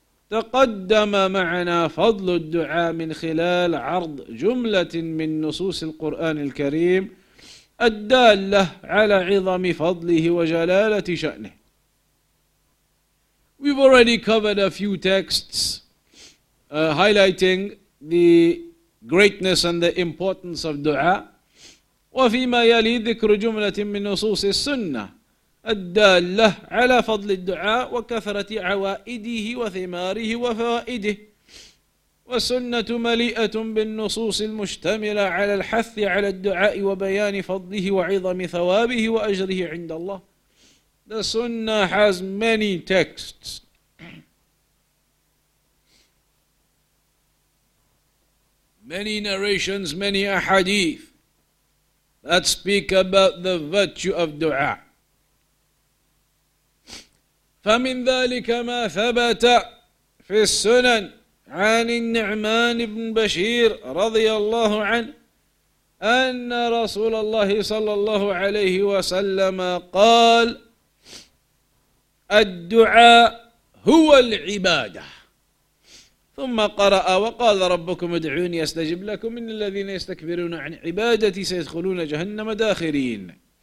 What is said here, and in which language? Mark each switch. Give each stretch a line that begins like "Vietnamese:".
Arabic: تقدم معنا فضل الدعاء من خلال عرض جملة من نصوص القرآن الكريم الدالة على عظم فضله وجلالة شأنه.
English: We've already covered a few texts highlighting the greatness and the importance of dua.
Arabic: وَفِيمَا يَلِي ذِكْرُ جُمْلَةٍ مِّن نُصُوصِ السُنَّةِ الدَّالَّةِ عَلَى فَضْلِ الدُّعَاءِ وَكَثْرَةِ عَوَائِدِهِ وَثِمَارِهِ وَفَوَائِدِهِ. وَالسُنَّةُ مَلِيئَةٌ بِالنُّصُوصِ الْمُشْتَمِلَةِ عَلَى الْحَثِّ عَلَى الدُّعَاءِ وَبَيَانِ فَضْلِهِ وَعِظَمِ ثَوَابِهِ وَأَجْرِهِ عِندَ اللَّهِ.
English: The sunnah has many texts. Many narrations, many ahadith that speak about the virtue of dua.
Arabic: فَمِنْ ذَلِكَ مَا ثَبَتَ فِي السُّنَنْ عَنِ النِّعْمَانِ بْنْ بَشِيرٍ رَضِيَ اللَّهُ عَنْهُ أَنَّ رَسُولَ اللَّهِ صَلَّى اللَّهُ عَلَيْهِ وَسَلَّمَ قَالَ الدُّعَاء هُوَ الْعِبَادَةِ ثم قرأ وقال ربكم ادعوني استجب لكم إن الذين يستكبرون عن عبادتي سيدخلون جهنم داخرين.